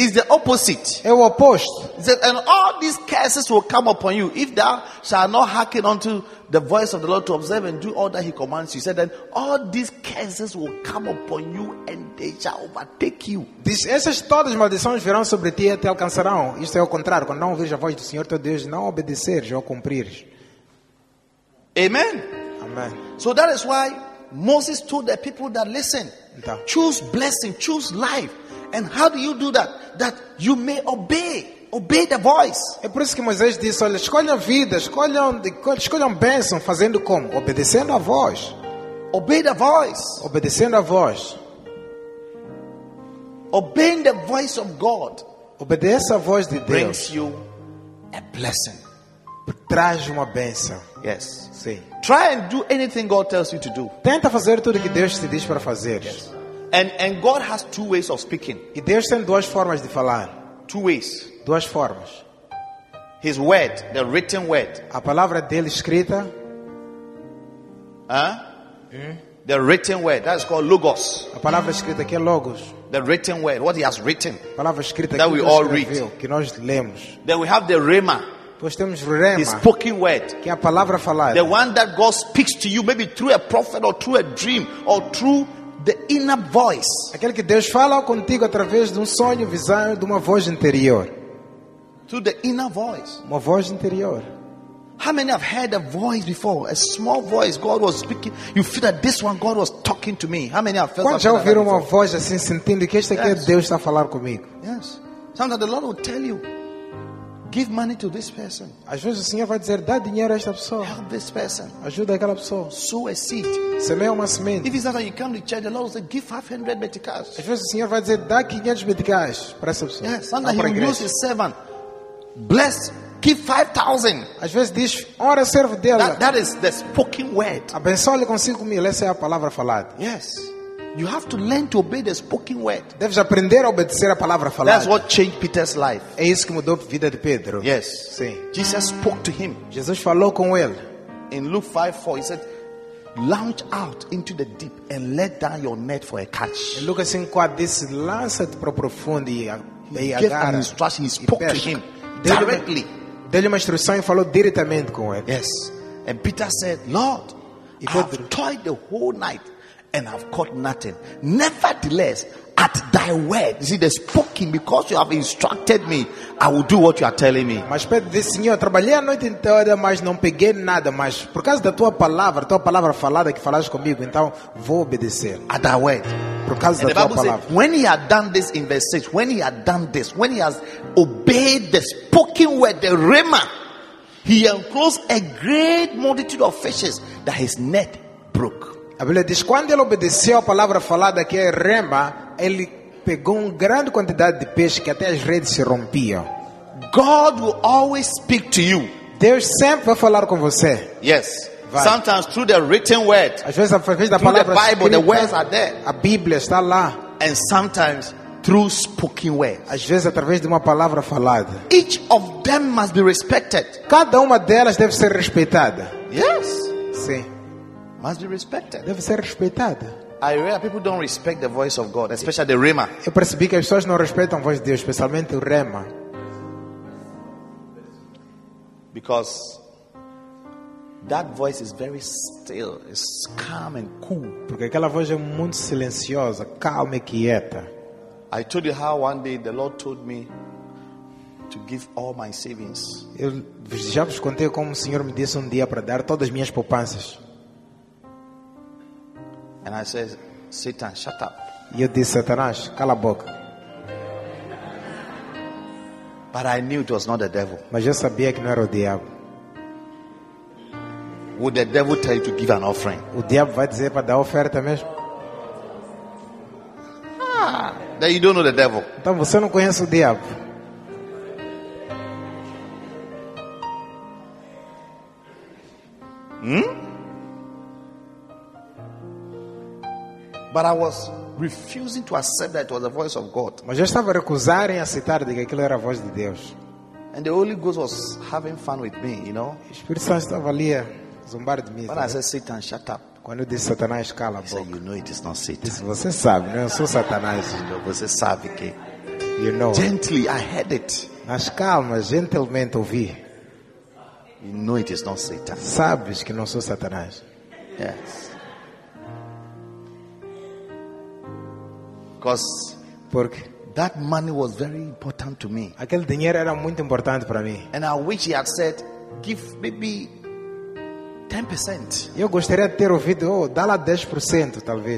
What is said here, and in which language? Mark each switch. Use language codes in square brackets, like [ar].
[en] is the opposite. [pt] É o oposto. [en] He said, and all these curses will come upon you if thou shalt not hearken unto the voice of the Lord to observe and do all that he commands you. He said, then all these curses will come upon you and they shall overtake you. [pt] Essas todas as maldições virão sobre ti e te alcançarão. Isto é o contrário. Quando não ouvires a voz do Senhor teu Deus, não obedeceres ou cumprires. [en] Amen. Amen. So that is why Moses told the people that, listen, yeah, choose blessing, choose life. And how do you do that? That you may obey the voice. [pt] É por isso que Moisés disse, olha, escolham vida, escolham bênção, fazendo como? Obedecendo a voz. [en] Obey the voice. [pt] Obedecendo a voz. [en] Obeying the voice of God. [pt] Obedeça a voz de Deus. [en] Brings you a blessing. [pt] Traz uma bênção. [en] Yes. [pt] Sim. [en] Try and do anything God tells you to do. [pt] Tenta fazer tudo que Deus te diz para fazer. [en] Yes. And God has two ways of speaking. [pt] E Deus tem duas formas de falar. [en] Two ways. [pt] Duas formas. [en] His word, the written word. [pt] A palavra dele escrita. [en] Huh? The written word, that is called logos. [pt] A palavra escrita que é logos. [en] The written word, what he has written. [pt] A palavra escrita [en] that we all read. [pt] Que nós lemos. [en] Then we have the rema. [pt] Pois temos rema. [en] His spoken word. [pt] Que é a palavra falada. [en] The one that God speaks to you, maybe through a prophet or through a dream or through the inner voice. [pt] Aquele que Deus fala contigo através de sonho, visão, de uma voz interior. [en] Through the inner voice. [pt] Uma voz interior. [en] How many have heard a voice before? A small voice. God was speaking. You feel that this one, God was talking to me. How many have felt that? [pt] Quando já ouviram uma voz assim, sentindo que este aqui é Deus está a falar comigo? [en] Yes. Sometimes the Lord will tell you, give money to this person. [pt] Às vezes o Senhor vai dizer, dá dinheiro a esta pessoa. [en] Help this person. [pt] Ajuda aquela pessoa. [en] Sow a seed. [pt] Semeia uma semente. [en] If it's not that you come to church, the Lord will say, give 500 meticais. [pt] Às vezes o Senhor vai dizer, dá 500 meticais para essa pessoa. [en] Yes. Sometimes he will use his servant. Bless. Give 5,000. [pt] Às vezes diz, ora servo dela. [en] That is the spoken word. [pt] Abençoe-lhe com 5,000. Essa é a palavra falada. [en] Yes. You have to learn to obey the spoken word. [pt] Deves aprender a obedecer a palavra falada. [en] That's what changed Peter's life. [pt] É isso que mudou a vida de Pedro. [en] Yes. [pt] Sim. [en] Jesus spoke to him. [pt] Jesus falou com ele. [en] In Luke 5:4, he said, launch out into the deep and let down your net for a catch. [pt] Em Lucas 5:4, disse, lança-te para o profundo e agarra. [en] He gave an instruction. He spoke to him directly. [pt] Deu-lhe uma instrução e falou diretamente com ele. [en] Yes. And Peter said, Lord, I have toiled the whole night and I've caught nothing. Nevertheless, at thy word, you see, the spoken, because you have instructed me, I will do what you are telling me. [pt] Mas Pedro disse, Senhor, trabalhei a noite inteira, mas não peguei nada. Mas por causa da tua palavra falada que falaste comigo, então vou obedecer. [en] At thy word. [pt] Por causa da tua palavra. [en] Said, when he had done this in verse 6, when he had done this, when he has obeyed the spoken word, the rhema, he enclosed a great multitude of fishes that his net broke. [pt] A Bíblia diz, quando ele obedeceu a palavra falada que é rema, ele pegou uma grande quantidade de peixe que até as redes se rompiam. [en] God will always speak to you. [pt] Deus sempre vai falar com você. [en] Yes. Vai. Sometimes through the written word. [pt] Às vezes através da palavra [en] escrita. Through the Bible, [pt] escrita, [en] the words are there. [pt] A Bíblia está lá. [en] And sometimes through spoken words. [pt] Às vezes através de uma palavra falada. [en] Each of them must be respected. [pt] Cada uma delas deve ser respeitada. [en] Yes. [pt] Sim. [en] Must be respected. [pt] Deve ser respeitada. [en] I realize people don't respect the voice of God, especially the rema. [pt] Eu percebi que as pessoas não respeitam a voz de Deus, especialmente o rema. [en] Because that voice is very still, it's calm and cool. [pt] Porque aquela voz é muito silenciosa, calma e quieta. [en] I told you how one day the Lord told me to give all my savings. [pt] Eu já vos contei como o Senhor me disse um dia para dar todas as minhas poupanças. [en] And I said, Satan, shut up. [pt] E eu disse, Satanás, cala a boca. [en] But I knew it was not the devil. [pt] Mas eu sabia que não era o diabo. [en] Would the devil tell you to give an offering? [pt] O diabo vai dizer para dar oferta mesmo? [en] Then you don't know the devil. [pt] Então você não conhece o diabo. [en] But I was refusing to accept that it was the voice of God. [pt] Mas eu estava recusando em aceitar de que aquilo era a voz de Deus. [en] And the Holy Ghost was having fun with me, you know. [pt] O Espírito Santo estava ali a zombar de mim. [en] When I said, Satan, shut up. [pt] Quando eu disse, Satanás, cala a boca. [en] He said, you know it is not Satan. [pt] Disse, você sabe, não sou Satanás. Você sabe que. [en] You know. Gently, I heard it. [pt] Mas calma, gentilmente ouvi. [en] You know it is not Satan. [pt] Sabes que não sou Satanás. [en] Yes. Because [pt] porque [en] that money was very important to me. [pt] Aquele dinheiro era muito importante para mim. [en] And I wish he had said, give maybe 10%. [pt] Eu gostaria de ter ouvido, oh, dá lá 10%, talvez.